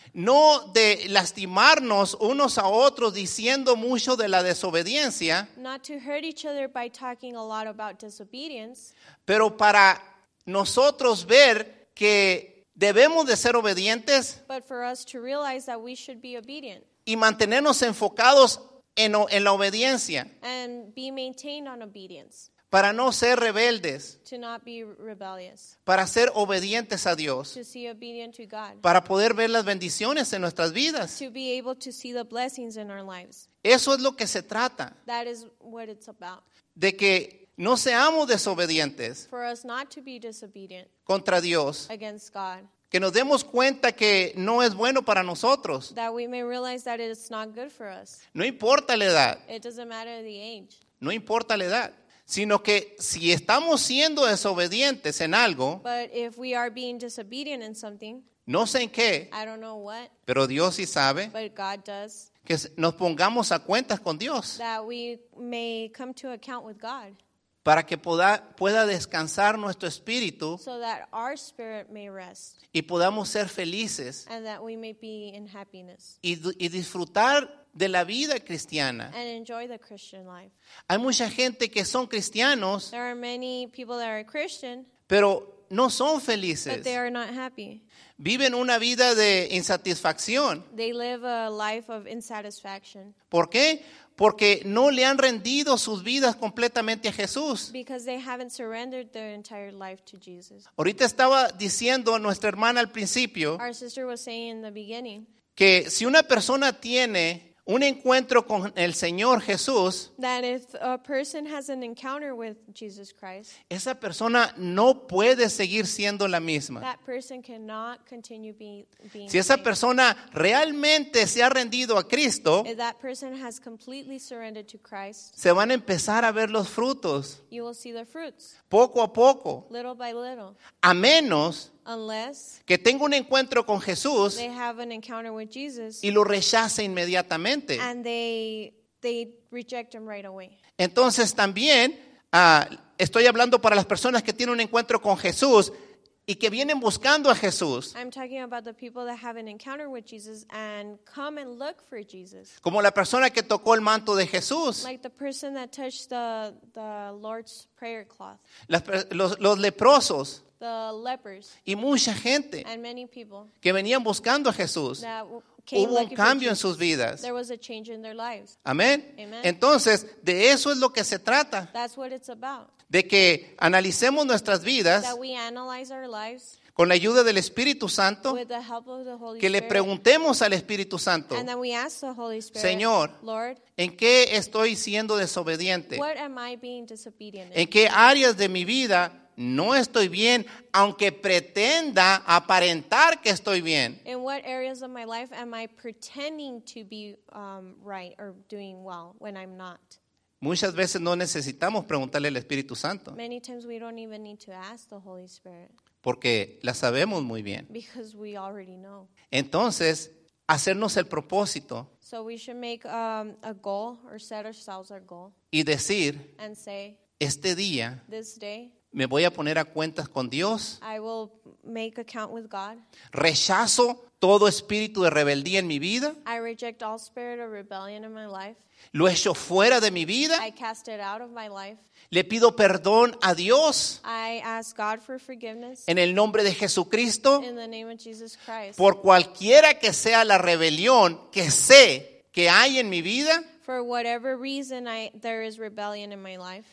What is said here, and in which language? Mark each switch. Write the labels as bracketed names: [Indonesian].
[Spanish] No de lastimarnos unos a otros diciendo mucho de la desobediencia. [English] Not to hurt each other by talking a lot about disobedience. [Spanish] Pero para nosotros ver que debemos de ser obedientes. [English] But for us to realize that we should be obedient. [Spanish] Y mantenernos enfocados en la obediencia. [English] And be maintained on obedience. [Spanish] Para no ser rebeldes. [English] To not be rebellious. [Spanish] Para ser obedientes a Dios. [English] To see obedient to God. [Spanish] Para poder ver las bendiciones en nuestras vidas. [English] To be able to see the blessings in our lives. [Spanish] Eso es lo que se trata. [English] That is what it's about. [Spanish] De que no seamos desobedientes. [English] For us not to be disobedient. [Spanish] Contra Dios. [English] Against God. [Spanish] Que nos demos cuenta que no es bueno para nosotros. [English] That we may realize that it's not good for us. [Spanish] No importa la edad. [English] It doesn't matter the age. [Spanish] No importa la edad. Sino que si estamos siendo desobedientes en algo. [English] But if we are being disobedient in something. [Spanish] No sé en qué. [English] I don't know what. [Spanish] Pero Dios sí sabe. [English] But God does. [Spanish] Que nos pongamos a cuentas con Dios. [English] That we may come to account with God. [Spanish] Para que pueda descansar nuestro espíritu. [English] So that our spirit may rest. [Spanish] Y podamos ser felices. [English] And that we may be in happiness. [Spanish] Y disfrutar de la vida cristiana. [English] And enjoy the Christian life. [Spanish] Hay mucha gente que son cristianos. [English] There are many people that are Christian. [Spanish] Pero no son felices. [English] But they are not happy. [Spanish] Viven una vida de insatisfacción. [English] They live a life of insatisfaction. [Spanish] ¿Por qué? Porque no le han rendido sus vidas completamente a Jesús. [English] Because they haven't surrendered their entire life to Jesus. [Spanish] Ahorita estaba diciendo a nuestra hermana al principio. [English] Our sister was saying in the beginning. [Spanish] Que si una persona tiene un encuentro con el Señor Jesús. [English] That if a person has an encounter with Jesus Christ. [Spanish] Esa persona no puede seguir siendo la misma. [English] That person cannot continue being the same. [Spanish] Si esa persona realmente se ha rendido a Cristo. [English] If that person has completely surrendered to Christ. [Spanish] Se van a empezar a ver los frutos. [English] You will see the fruits. [Spanish] Poco a poco. [English] Little by little. [Spanish] A menos. [English] Unless [Spanish] que tenga un encuentro con Jesús, [English] they have an encounter with Jesus, [Spanish] y lo rechace inmediatamente, [English] and they reject him right away. [Spanish] Entonces también estoy hablando para las personas que tienen un encuentro con Jesús y que vienen buscando a Jesús. [English] I'm talking about the people that have an encounter with Jesus and come and look for Jesus. [Spanish] Como la persona que tocó el manto de Jesús. [English] Like the person that touched the Lord's prayer cloth. [Spanish] Los leprosos. [English] The lepers. [Spanish] Y mucha gente. [English] And many people. [Spanish] Que venían buscando a Jesús. Hubo un cambio en sus vidas. [English] There was a change in their lives. [Spanish] Amén. Entonces, de eso es lo que se trata. [English] That's what it's about. [Spanish] De que analicemos nuestras vidas. [English] That we analyze our lives. [Spanish] Con la ayuda del Espíritu Santo. [English] With the help of the Holy [Spanish] que [English] Spirit. [Spanish] Le preguntemos al Espíritu Santo. [English] And then we ask the Holy Spirit. [Spanish] Señor. [English] Lord. [Spanish] ¿En qué estoy siendo desobediente? [English] What am I being disobedient in? [Spanish] ¿En qué áreas de mi vida no estoy bien, aunque pretenda aparentar que estoy bien? [English] In what areas of my life am I pretending to be right or doing well when I'm not? [Spanish] Muchas veces no necesitamos preguntarle al Espíritu Santo. [English] Many times we don't even need to ask the Holy Spirit. [Spanish] Porque la sabemos muy bien. [English] Because we already know. [Spanish] Entonces, hacernos el propósito. [English] So we should make a goal or set ourselves a goal. [Spanish] Y decir, [English] and say, [Spanish] este día, [English] this day, [Spanish] me voy a poner a cuentas con Dios. [English] I will make account with God. [Spanish] Rechazo todo espíritu de rebeldía en mi vida. [English] I reject all spirit of rebellion in my life. [Spanish] Lo echo fuera de mi vida. [English] I cast it out of my life. [Spanish] Le pido perdón a Dios. [English] I ask God for forgiveness. [Spanish] En el nombre de Jesucristo. [English] In the name of Jesus Christ. [Spanish] Por cualquiera que sea la rebelión que sé que hay en mi vida. [English] For whatever reason there is rebellion in my life.